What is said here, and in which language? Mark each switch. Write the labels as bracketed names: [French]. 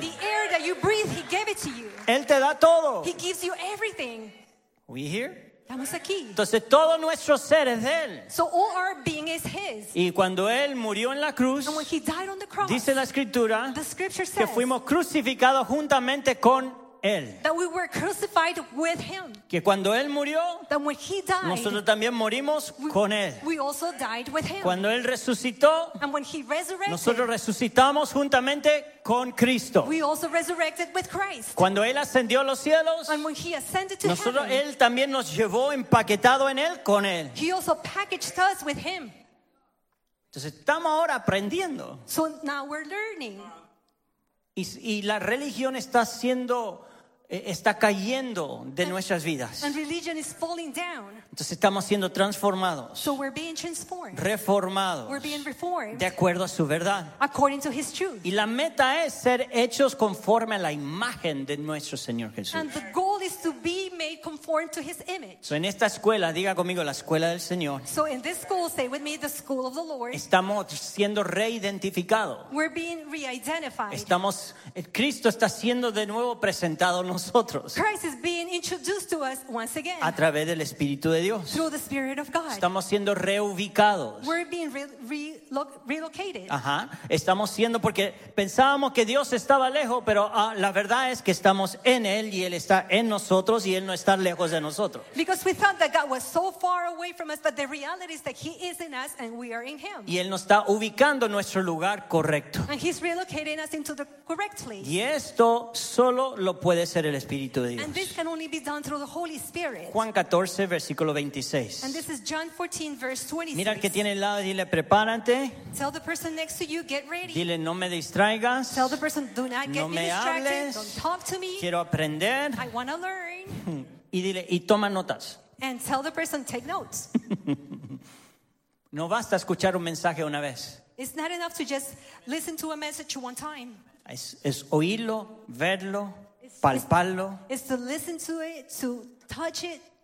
[English] The air that you breathe he gave it to you. [Spanish] Él te da todo. [English] He gives you everything. We here? [Spanish] Estamos aquí. Entonces todo nuestro ser es de él. [English] So all our being is his. [Spanish] Y cuando él murió en la cruz, [English] and when he died on the cross, [Spanish] dice la escritura, [English] the scripture says, [Spanish] que fuimos crucificados juntamente con él. [English] That we were crucified with him. [Spanish] Que cuando él murió, [English] that when he died, [Spanish] nosotros también morimos con él. [English] We also died with him. [Spanish] Cuando él resucitó, [English] and when he resurrected, [Spanish] nosotros resucitamos juntamente con Cristo. [English] We also resurrected with Christ. [Spanish] Cuando él ascendió a los cielos, [English] and when he ascended to [Spanish] nosotros, [English] heaven, [Spanish] él también nos llevó empaquetado en él con él. [English] He also packaged us with him. [Spanish] Entonces estamos ahora aprendiendo. [English] So now we're learning. [Spanish] Y la religión está siendo, está cayendo de nuestras vidas. [English] And religion is falling down. [Spanish] Entonces estamos siendo transformados. [English] So we're being transformed. [Spanish] Reformados. [English] We're being reformed. [Spanish] De acuerdo a su verdad. [English] According to his truth. [Spanish] Y la meta es ser hechos conforme a la imagen de nuestro Señor Jesús. [English] And the goal is to be made conform to his image. [Spanish] So en esta escuela, diga conmigo, la escuela del Señor. [English] So in this school, say with me, the school of the Lord. [Spanish] Estamos siendo reidentificados. [English] We're being re-identified. [Spanish] Estamos, Cristo está siendo de nuevo presentado a nosotros. [English] Christ is being introduced to us once again. [Spanish] A través del Espíritu de Dios. [English] Through the Spirit of God. [Spanish] Estamos siendo reubicados. [English] We're being relocated. Ajá. [Spanish] Estamos siendo porque pensábamos que Dios estaba lejos, pero la verdad es que estamos en Él y Él está en nosotros y Él no está lejos de nosotros. [English] Because we thought that God was so far away from us, but the reality is that He is in us and we are in Him. [Spanish] Y Él nos está ubicando en nuestro lugar correcto. [English] And He's relocating us into the correct place. [Spanish] Y esto solo lo puede ser el Espíritu de Dios. [English] And this can only be done through the Holy Spirit. [Spanish] Juan 14, versículo 26. [English] And this is John 14, verse 26. [Spanish] Mira al que tiene al lado, dile prepárate. [English] Tell the person next to you, get ready. [Spanish] Dile no me distraigas. [English] Tell the person, do not get [Spanish] no me [English] distracted. [Spanish] Hables. [English] Don't talk to me. [Spanish] Quiero aprender. [English] I want to learn. [Spanish] Y dile y toma notas. [English] And tell the person, take notes. [Spanish] No basta escuchar un mensaje una vez. [English] It's not enough to just listen to a message one time. [Spanish] Es oírlo, verlo, palparlo. [English] It's to listen to it, to touch it.